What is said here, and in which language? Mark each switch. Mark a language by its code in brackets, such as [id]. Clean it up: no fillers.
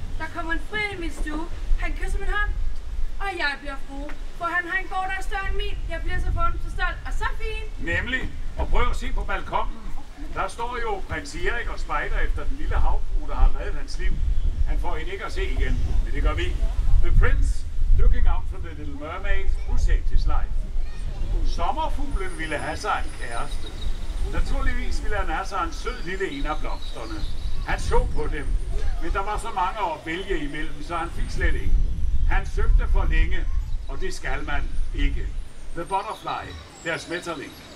[da] Der kommer en frid i min stue. Han kysser min hånd. Og jeg bliver fru. For han har en gård, der er større end min. Jeg bliver så fund, så stolt og så fin. Nemlig. Og prøv at se på balkonen. Der står jo prins Erik og spejder efter den lille havfru, der har reddet hans liv. Han får hende ikke at se igen, men det gør vi. [en] The prince, looking out for the little mermaid, who saved his life. [da] Sommerfuglen ville have sig en kæreste. Naturligvis ville han have sig en sød lille en af blomsterne. Han så på dem, men der var så mange at vælge imellem, så han fik slet ikke. Han søgte for længe, og det skal man ikke. [en] The butterfly, [de] deres metterling.